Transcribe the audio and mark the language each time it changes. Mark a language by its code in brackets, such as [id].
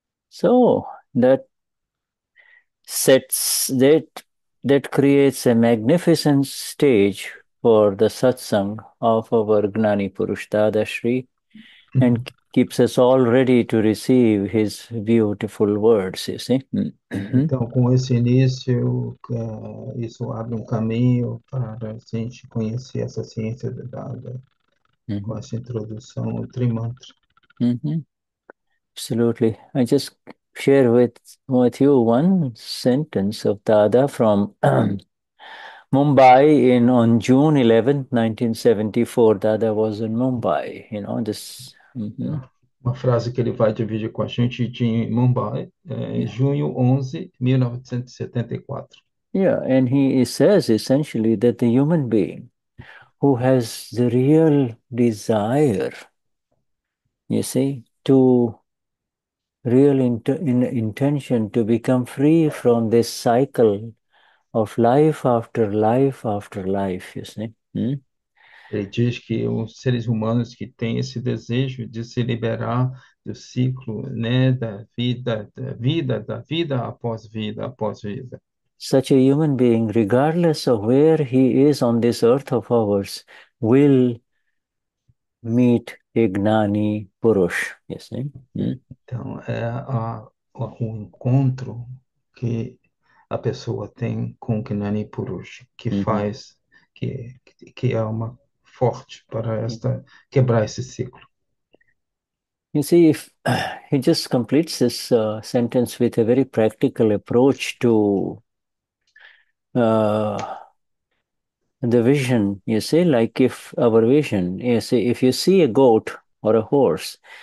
[en] So that creates a magnificent stage for the satsang of our Gnani Purush Dadashri and keeps us all ready to receive his beautiful words, you see. [pt] Então, com esse início, isso abre um caminho para a gente conhecer essa ciência dada com essa introdução ao Trimantra. [en] Absolutely. I just share with you one sentence of Dada from Mumbai on June 11, 1974. Dada was in Mumbai, you know, this. [pt] Uma frase que ele vai dividir com a gente de Mumbai, junho 11, 1974. [en] And he says essentially that the human being who has the real desire, you see, to real intention to become free from this cycle of life after life after life, you see. [pt] Ele diz que os seres humanos que têm esse desejo de se liberar do ciclo, né, da vida após vida após vida. [en] Such a human being, regardless of where he is on this earth of ours, will meet a Gnani Purush, you see. [pt] Então, o encontro que a pessoa tem com o Gnani Purusha, que faz, que é uma forte para esta quebrar esse ciclo. [en] You see, if he just completes this sentence with a very practical approach to the vision, you see, like if our vision, you see, if you see a goat or a horse